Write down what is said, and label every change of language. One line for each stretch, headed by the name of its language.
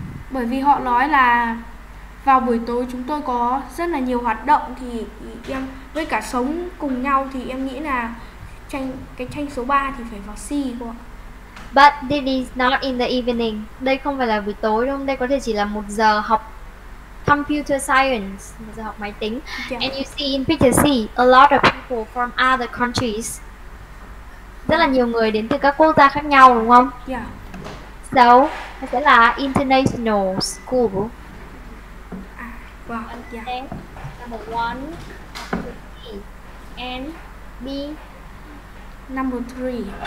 Vietnamese: bởi vì họ nói là vào buổi tối chúng tôi có rất là nhiều hoạt động thì em với cả sống cùng nhau thì em nghĩ là cái tranh số 3 thì phải vào C cô ạ.
English: But this is not in the evening.
Vietnamese: Đây không phải là buổi tối đâu, đây có thể chỉ là một giờ học computer science, giờ học máy tính.
English: Yeah. And you see in picture C, a lot of people from other countries.
Vietnamese: Rất là nhiều người đến từ các quốc gia khác nhau đúng không?
English: Yeah.
Vietnamese: So, nó sẽ là international school.
English: Wow, yeah. Number one, and B. Number 3.